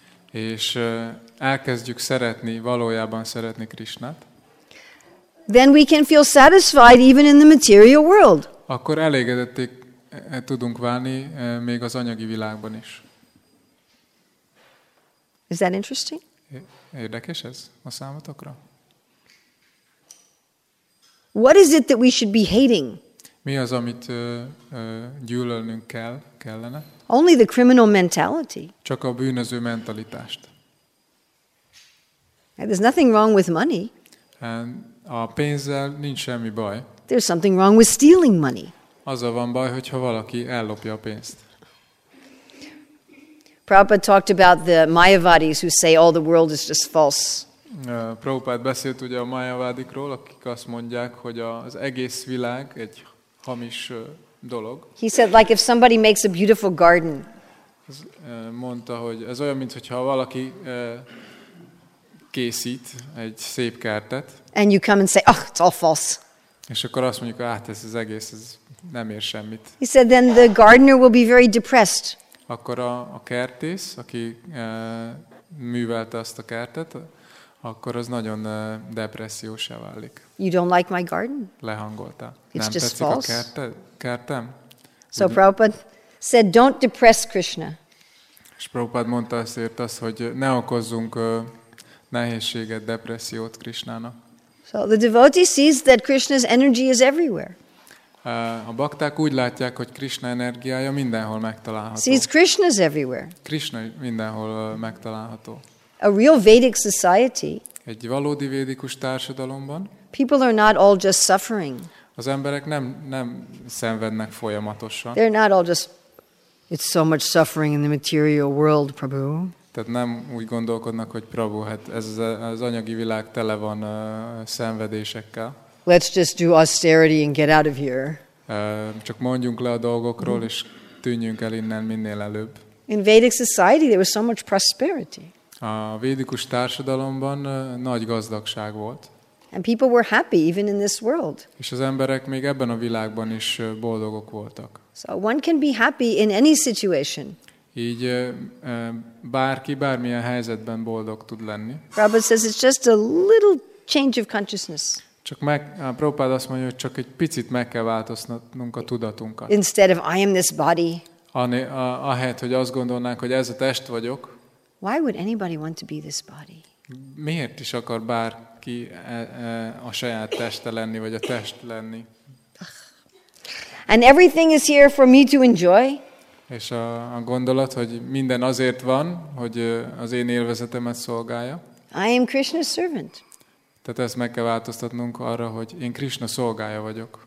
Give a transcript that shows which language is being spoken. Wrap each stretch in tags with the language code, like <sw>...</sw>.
<hu>És elkezdjük szeretni, valójában szeretni Krishnát.</hu> <en>Then we can feel satisfied even in the material world.</en> <hu>Akkor elégedetté tudunk válni még az anyagi világban is.</hu> <en>Is that interesting?</en> <hu>Érdekes ez a számotokra?</hu> <en>What is it that we should be hating?</en> <hu>Mi az, amit gyűlölnünk kellene?</hu> <en>Only the criminal mentality.</en> <hu>Csak a bűnöző mentalitást.</hu> <en>There's nothing wrong with money.</en> <hu>A pénzzel nincs semmi baj.</hu> <en>There's something wrong with stealing money.</en> <hu>Azzal van baj, hogyha valaki ellopja a pénzt.</hu> <en>Prabhupada talked about the Mayavadis who say all the world is just false.</en> <hu>Prabhupada beszélt ugye a Mayavadikról, akik azt mondják, hogy az egész világ egy hamis dolog.</hu> <en>He said like if somebody makes a beautiful garden.</en> <hu>Mondta, hogy ez olyan, mint hogyha valaki készít egy szép kertet.</hu> <en>And you come and say, oh, it's all false.</en> <hu>És akkor azt mondjuk, ez az egész, ez nem ér semmit.</hu> <en>He said, then the gardener will be very depressed.</en> <hu>Akkor a kertész, aki művelte azt a kertet, akkor az nagyon depressziósá válik.</hu> <en>You don't like my garden?</en> <hu>Lehangolta. It's nem</hu> <en>just false.</en> <hu>Nem tetszik a kertem?</hu> <en>So Prabhupada said, don't depress Krishna.</en> <hu>És Prabhupada mondta azért azt, hogy ne okozzunk nehézséget, depressziót Krishnának.</hu> <en>So the devotee sees that Krishna's energy is everywhere.</en> <hu>A bakták úgy látják, hogy Krishna energiája mindenhol megtalálható.</hu> <en>Sees Krishna's everywhere.</en> <hu>Krishna mindenhol megtalálható.</hu> <en>A real Vedic society.</en> <hu>Egy valódi védikus társadalomban.</hu> <en>People are not all just suffering.</en> <hu>Az emberek nem szenvednek folyamatosan.</hu> <en>They're not all just it's so much suffering in the material world, Prabhu.</en> <hu>Tehát nem úgy gondolkodnak, hogy Prabhu, hát ez az anyagi világ tele van szenvedésekkel.</hu> <en>Let's just do austerity and get out of here.</en> <hu>Csak mondjunk le a dolgokról, és tűnjünk el innen minél előbb.</hu> <en>In Vedic society there was so much prosperity.</en> <hu>A védikus társadalomban nagy gazdagság volt.</hu> <en>And people were happy even in this world.</en> <hu>És az emberek még ebben a világban is boldogok voltak.</hu> <en>So one can be happy in any situation.</en> <hu>Így bárki bármilyen helyzetben boldog tud lenni.</hu> <en>Prabhupada says it's just a little change of consciousness.</en> <hu>Csak meg, Prabhupada azt mondja, hogy csak egy picit meg kell változtatnunk a tudatunkat.</hu> <en>Instead of I am this body.</en> <hu>Ahelyett, hogy azt gondolnánk, hogy ez a test vagyok.</hu> <en>Why would anybody want to be this body?</en> <hu>Miért is akar bárki a saját teste lenni, vagy a test lenni?</hu> <en>And everything is here for me to enjoy.</en> <hu>És a gondolat, hogy minden azért van, hogy az én élvezetemet szolgálja.</hu> <en>I am Krishna's servant.</en> <hu>Tehát ezt meg kell változtatnunk arra, hogy én Krishna szolgája vagyok.</hu>